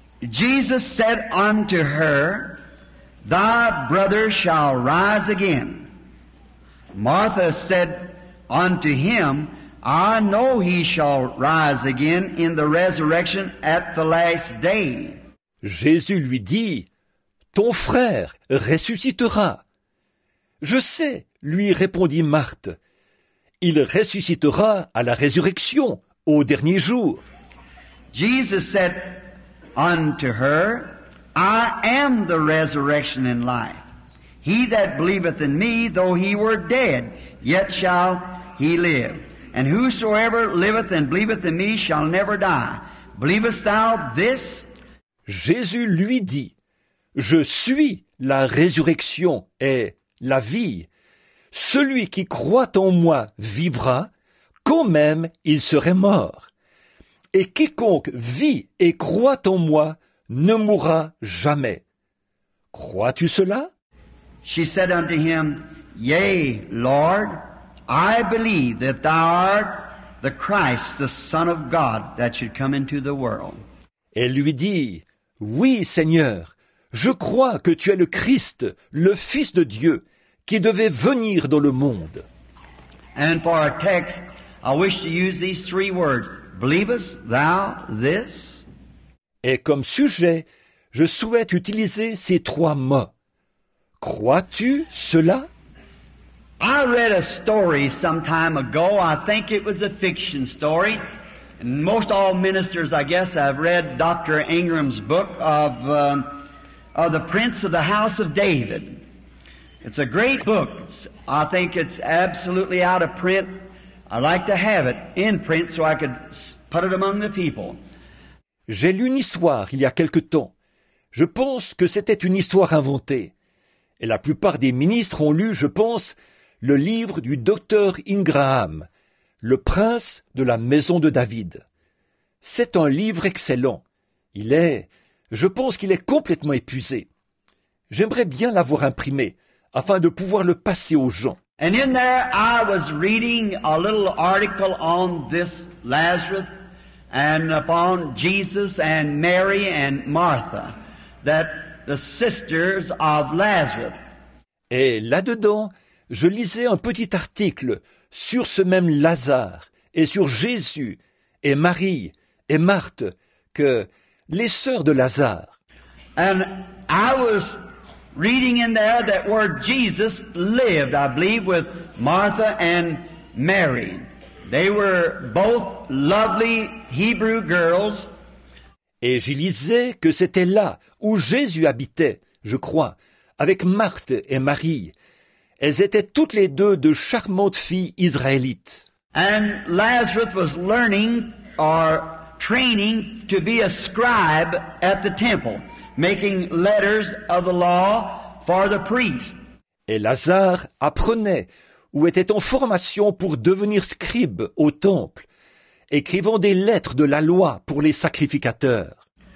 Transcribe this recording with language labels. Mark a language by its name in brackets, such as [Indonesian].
[English] Jesus said unto her, Thy brother shall rise again. Martha said unto him, I know he shall rise again in the resurrection at the last day. [French] Jésus lui dit, Ton frère ressuscitera. Je sais, lui répondit Marthe, il ressuscitera à la résurrection, au dernier jour. [English] Jesus said unto her, I am the resurrection and life. He that believeth in me, though he were dead, yet shall he live. And whosoever liveth and believeth in me shall never die. Believest thou this? [French] Jésus lui dit, Je suis la résurrection et la vie. Celui qui croit en moi vivra, quand même il serait mort. Et quiconque vit et croit en moi ne mourra jamais. Crois-tu cela? [English] She said unto him, Yea, Lord, I believe that thou art the Christ, the Son of God, that should come into the world. [French] Elle lui dit, Oui, Seigneur, je crois que tu es le Christ, le Fils de Dieu, qui devait venir dans le monde. [English] And for our text, I wish to use these three words. Believest thou this? [French] Et comme sujet, je souhaite utiliser ces trois mots. Crois-tu cela? [English] I read a story some time ago. I think it was a fiction story. And most all ministers, I guess, have read Dr. Ingram's book of The Prince of the House of David. It's a great book. I think it's absolutely out of print. I'd like to have it in print so I could put it among the people. [French] J'ai lu une histoire il y a quelque temps. Je pense que c'était une histoire inventée. Et la plupart des ministres ont lu, je pense, le livre du docteur Ingraham, Le prince de la maison de David. C'est un livre excellent. Je pense qu'il est complètement épuisé. J'aimerais bien l'avoir imprimé afin de pouvoir le passer aux gens. [English] And in there, I was reading a little article on this Lazarus and upon Jesus and Mary and Martha, that the sisters of Lazarus. [French] Et là-dedans, je lisais un petit article sur ce même Lazare et sur Jésus et Marie et Marthe, que les sœurs de Lazare. [English] And I was reading in there that where Jesus lived, I believe, with Martha and Mary. They were both lovely Hebrew girls. [French] Et j'y lisais que c'était là où Jésus habitait, je crois, avec Marthe et Marie. Elles étaient toutes les deux de charmantes filles israélites. [English] And Lazarus was learning or training to be a scribe at the temple, making letters of the law for the priest. [French] Et Lazare apprenait ou était en formation pour devenir scribe au temple, écrivant des lettres de la loi pour les sacrificateurs.